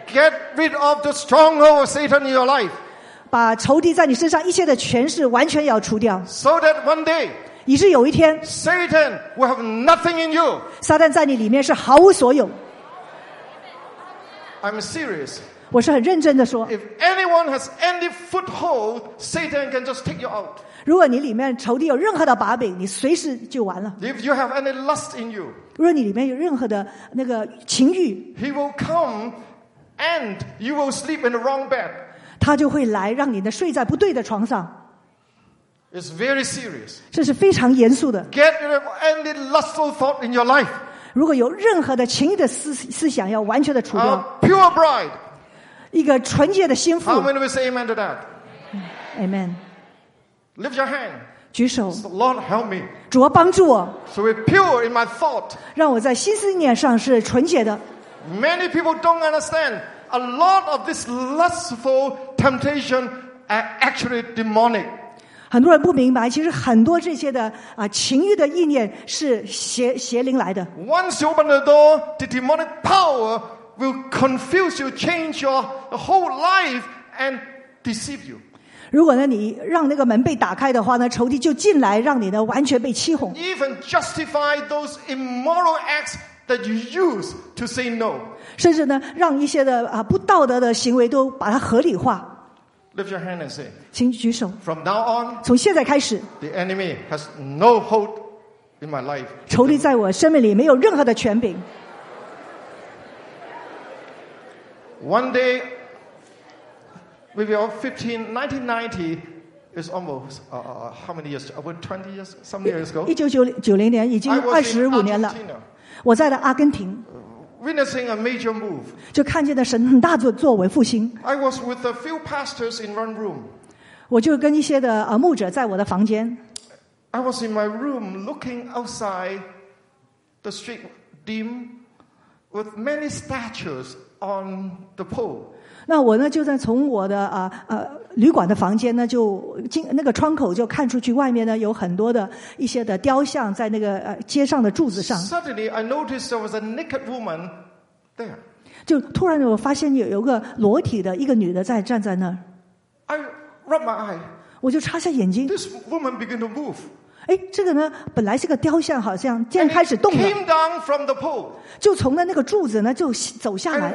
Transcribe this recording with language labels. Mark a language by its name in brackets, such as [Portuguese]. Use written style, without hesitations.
[English] Get rid of the stronghold of Satan in your life. [Chinese] 把仇敌在你身上一切的权势完全要除掉。 [English] So that one day. [Chinese] 以致有一天。 [English] Satan will have nothing in you. [Chinese] 撒旦在你里面是毫无所有。 [English] I'm serious. [Chinese] 我是很认真的说 [English] If anyone has any foothold, Satan can just take you out. [Chinese] 如果你里面仇敌有任何的把柄，你随时就完了。 [English] If you have any lust in you, [Chinese] 如果你里面有任何的那个情欲 [English] he will come and you will sleep in the wrong bed. [Chinese] 他就会来让你睡在不对的床上。 [English] It's very serious. [Chinese] 这是非常严肃的。 [English] Get rid of any lustful thought in your life. [Chinese] 如果有任何的情欲的思想要完全的除掉。 [English] A pure bride. [Chinese] 一个纯洁的心腹。 [English] How many will say amen to that? Amen. Lift your hand. [Chinese] 举手。 [English] Lord help me. [Chinese] 主啊帮助我。 [English] So be pure in my thought. [Chinese] 让我在心思念上是纯洁的。 [English] Many people don't understand a lot of this lustful temptation are actually demonic. [Chinese] 很多人不明白，其实很多这些的情欲的意念是邪灵来的。 [English] Once you open the door, the demonic power. Will confuse you, change your whole life, and deceive you. [Chinese] 如果呢，你让那个门被打开的话呢，仇敌就进来，让你呢完全被欺哄。 [English] Even justify those immoral acts that you use to say no. [Chinese] 甚至呢，让一些的啊不道德的行为都把它合理化。 [English] Lift your hand and say. [Chinese] 请举手。 [English] From now on. [Chinese] 从现在开始。 [English] The enemy has no hold in my life. [Chinese] 仇敌在我生命里没有任何的权柄。 [English] One day, maybe 1990 is almost how many years? About 20 years, some years ago. [Chinese] 1990年已经25年了。我在了阿根廷。 [English] Witnessing a major move. [Chinese] 就看见了神很大的作为复兴。 [English] I was with a few pastors in one room. [Chinese] 我就跟一些的牧者在我的房间。 [English] I was in my room looking outside the street dim with many statues. On the pole. [Chinese] 那我呢就在从我的旅馆的房间呢就进那个窗口就看出去外面呢有很多的一些的雕像在那个街上的柱子上。 [English] Suddenly, I noticed there was a naked woman there. [Chinese] 就突然我发现有个裸体的一个女的在站在那儿。 [English] I rubbed my eye. [Chinese] 我就插下眼睛。 [English] This woman began to move. [Chinese] 哎，这个呢，本来是个雕像，好像竟然开始动了。 [English] Came down from the pole, [Chinese] 就从那个柱子呢，就走下来。